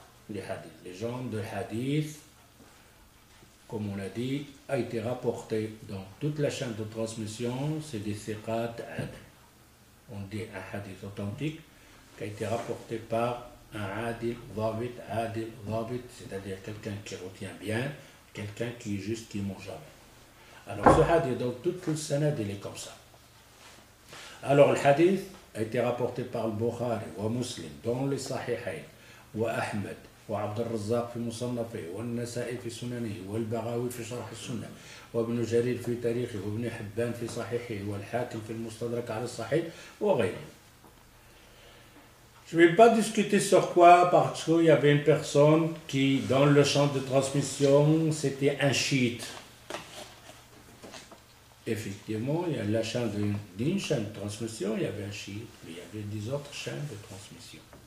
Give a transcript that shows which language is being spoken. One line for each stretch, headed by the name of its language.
French: Les hadiths, les gens de hadith, comme on l'a dit, a été rapporté dans toute la chaîne de transmission, c'est des siqat. On dit un hadith authentique qui a été rapporté par un adil, dhabit, adil, dhabit, c'est-à-dire quelqu'un qui retient bien, quelqu'un qui est juste, qui ne ment jamais. Alors ce hadith, dans toute le sanad, il est comme ça. Alors le hadith a été rapporté par le Bukhari, ou Muslim, dans les Sahihain, ou Ahmed,
Arabic: وعبد الرزاق في مصنفه والنسائي في سننه والبغاوي في شرح السنة وابن جرير في تاريخه وابن حبان في صحيحه والحاكم في المستدرك على الصحيح وغيره.
French: Je vais pas discuter sur quoi parce qu'il y avait une personne qui dans le champ de transmission c'était un chiite. Effectivement, il y a la chaîne d'une chaîne de transmission, il y avait un chiite, mais il y avait des autres chaînes de transmission.